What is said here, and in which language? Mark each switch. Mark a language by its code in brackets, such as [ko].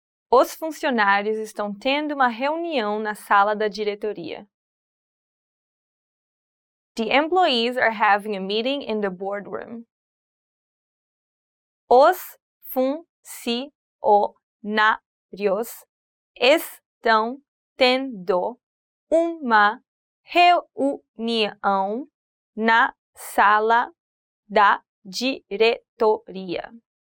[pt] Os funcionários estão tendo uma reunião na sala da diretoria. [en] The employees are having a meeting in the boardroom. [pt] Os funcionários estão tendo uma reunião na sala da diretoria.